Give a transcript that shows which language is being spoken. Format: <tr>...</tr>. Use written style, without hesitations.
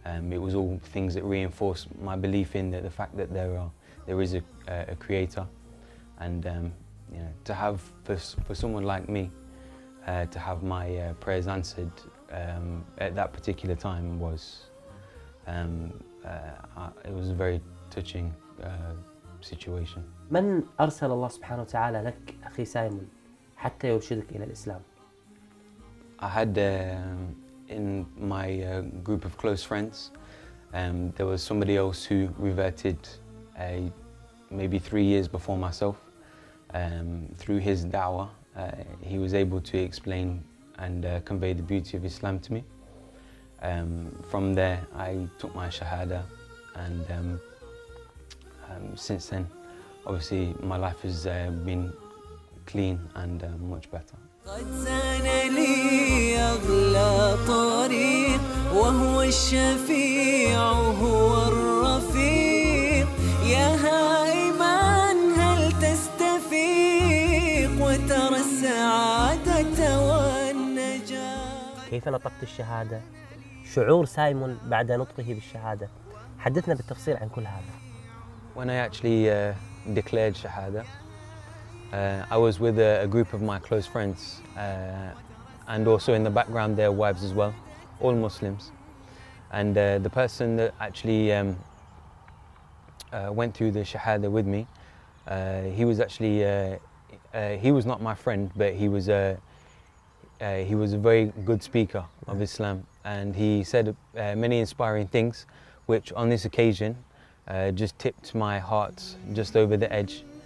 <en>It was all things that reinforced my belief in the fact that there is a creator, and you know, to have for someone like me to have my prayers answered at that particular time was it was a very touching situation.</en> <ar>من أرسل الله سبحانه وتعالى لك أخي سايمون حتى يرشدك إلى الإسلام؟</ar> <en>I had in my group of close friends, there was somebody else who reverted maybe 3 years before myself. Through his da'wah, he was able to explain and convey the beauty of Islam to me. From there, I took my shahada, and since then, obviously, my life has been clean and much better.</en> <ar>قد زان لي أغلى طريق وهو الشفيع هو الرفيق يا هائما هل تستفيق وترى السعادة والنجاة. كيف نطقت الشهادة؟ شعور سايمون بعد نطقه بالشهادة؟ حدثنا بالتفصيل عن كل هذا.</ar> <en>When I actually declared shahada, I was with a group of my close friends, and also in the background their wives as well, all Muslims. And the person that actually went through the shahada with me, he was actually he was not my friend, but he was a very good speaker of Islam, and he said many inspiring things, which on this occasion just tipped my heart just over the edge.</en>